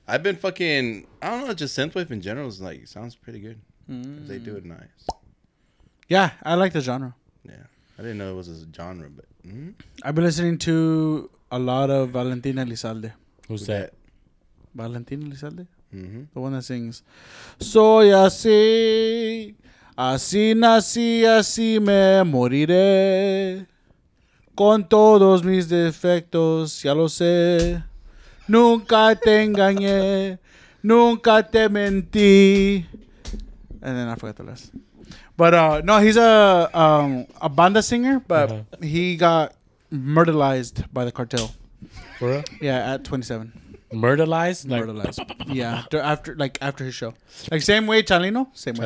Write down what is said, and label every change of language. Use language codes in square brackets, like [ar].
[en] I've been fucking. I don't know. Just synthwave in general is like sounds pretty good. They do it nice. Yeah, I like the genre. Yeah, I didn't know it was a genre, but I've been listening to a lot of Valentina Elizalde. Who's that? Valentina Elizalde. Mm-hmm. The one that sings. [es] Soy así, así nací, así me moriré. Con todos mis defectos, ya lo sé. Nunca te engañé, nunca te mentí. [en] And then I forgot the rest. But no, he's a banda singer, but he got murderized by the cartel. For real? Yeah, at 27. Murderized? Murderized. Yeah, after like after his show. Like same way Chalino, same way.